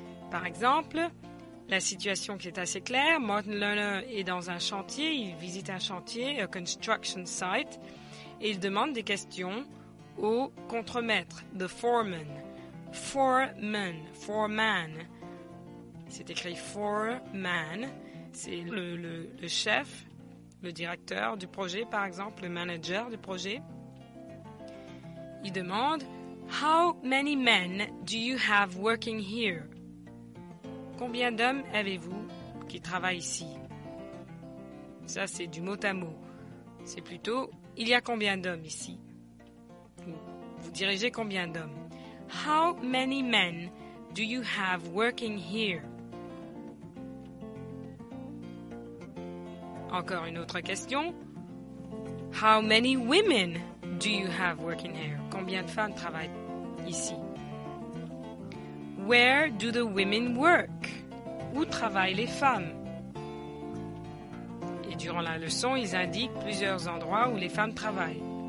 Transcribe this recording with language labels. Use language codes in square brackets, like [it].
[fr] Par exemple, la situation qui est assez claire, Martin Luther est dans un chantier, il visite un chantier, [en] a construction site, [fr] et il demande des questions au contremaître, [en] the foreman. [fr] Foreman, foreman. C'est écrit foreman, c'est le chef, le directeur du projet, par exemple, le manager du projet. Il demande, [en] how many men do you have working here? [fr] Combien d'hommes avez-vous qui travaillent ici? Ça, c'est du mot à mot. C'est plutôt, il y a combien d'hommes ici? Vous dirigez combien d'hommes? [en] How many men do you have working here? [fr] Encore une autre question. [en] How many women do you have working here? [fr] Combien de femmes travaillent ici? [en] Where do the women work? [fr] Où travaillent les femmes? Et durant la leçon, ils indiquent plusieurs endroits où les femmes travaillent.